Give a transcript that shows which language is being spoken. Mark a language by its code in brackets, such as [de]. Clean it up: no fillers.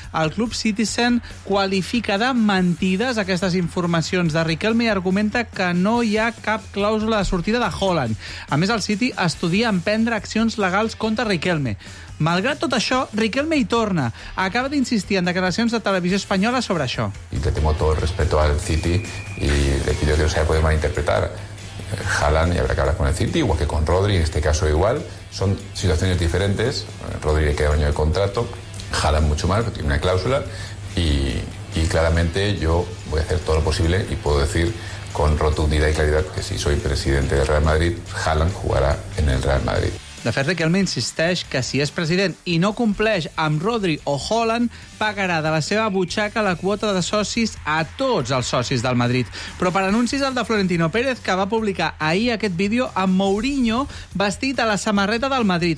[ca] El club Citizen qualifica de mentides aquestes informacions de Riquelme i argumenta que no hi ha cap clàusula de sortida de Haaland. A més, el City estudia emprendre accions legals contra Riquelme. Malgrat tot això, Riquelme hi torna. Acaba d'insistir en declaracions de Televisió Espanyola sobre això. [es] Y que tengo todo el respeto al City y le pido que no se haya podido malinterpretar. Haaland, y habrá que hablar con el City, igual que con Rodri, en este caso igual. Son situaciones diferentes. Rodri le queda un año de contrato, Haaland mucho más, porque tiene una cláusula, y claramente yo voy a hacer todo lo posible y puedo decir con rotundidad y claridad que si soy presidente del Real Madrid, Haaland jugará en el Real Madrid. [ca] De fet, Riquelme insisteix que si és president i no compleix amb Rodri o Haaland, pagarà de la seva butxaca la quota de socis a tots els socis del Madrid. Però per anuncis el de Florentino Pérez, que va publicar ahir aquest vídeo amb Mourinho vestit a la samarreta del Madrid.